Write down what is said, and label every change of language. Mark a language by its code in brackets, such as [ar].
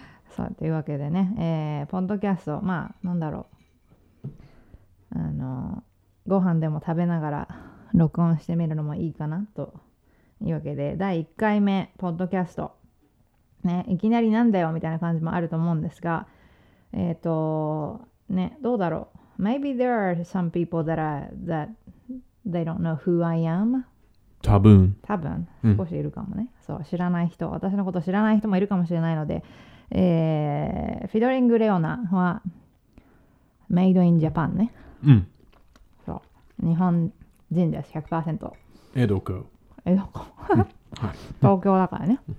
[ja] さあ、というわけでね、ポッドキャスト、まあ、なんだろう、ご飯でも食べながら録音してみるのもいいかなというわけで、第1回目ポッドキャストね、いきなりなんだよみたいな感じもあると思うんですが、ね、どうだろう。 [en] Maybe there are some people that they don't know who I am. [ja] 多分少しいるかもね。うん、そう、知らない人、私のこと知らない人もいるかもしれないので、フィドリング・レオナは [en] Made in Japan [ja] ね。うん。そう、日本人です 100%。江戸子、うん、東京だからね。